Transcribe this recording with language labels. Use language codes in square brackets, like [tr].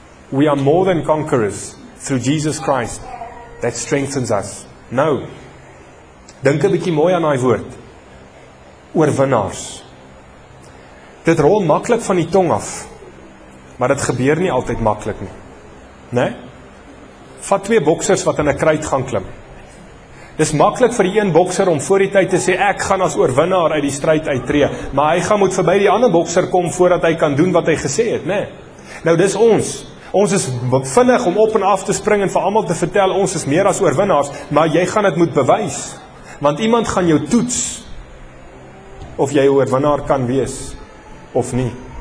[en] We are more than conquerors, through Jesus Christ, that strengthens us. [af] Nou, dink 'n bietjie mooi aan daai woord, oorwinnaars. Dit rol makkelijk van die tong af, maar dit gebeur nie altyd makkelijk nie. Nee? Vat twee boksers wat in 'n kruit gaan klim. Dis maklik vir die een bokser om voor die tyd te sê, ek gaan as oorwinnaar uit die stryd uittreë, maar hy gaan moet verby die ander bokser kom voordat hy kan doen wat hy gesê het, né? Nou, dis ons. Ons is vinnig om op en af te spring en vir almal te vertel, ons is meer as oorwinnaars, maar jy gaan dit moet bewys, want iemand gaan jou toets of jy oorwinnaar kan wees of nie.